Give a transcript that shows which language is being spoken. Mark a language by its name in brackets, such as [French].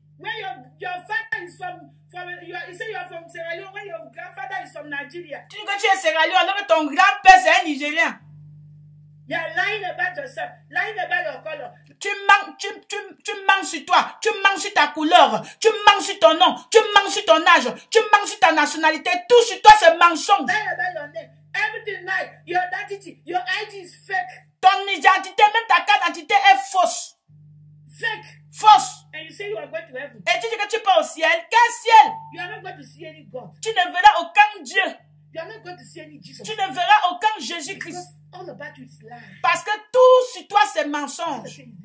[English] When your father is from you say you are from Sierra Leone, when your grandfather is from Nigeria. [French] Tu dis que tu es Sierra Leone, alors que ton grand-père c'est un Nigérien. [English] You are lying about yourself, lying about your color. [French] Tu mens sur toi, tu mens sur ta couleur, tu mens sur ton nom, tu mens sur ton âge, tu mens sur ta nationalité, tout sur toi c'est mensonge. [English] Everything lie, your identity, your ID is fake. [French] Ton identité, même ta carte d'identité est fausse. [English] Fake. [French] Fausse. [English] And you say you are going to heaven. [French] Et tu dis que tu vas au ciel. Quel ciel? [English] You are not going to see any God. [French] Tu ne verras aucun Dieu. [English] You are not going to see any Jesus. [French] Tu ne verras aucun Jésus-Christ. [English] All about you is lie. [French] Parce que tout sur toi c'est mensonge.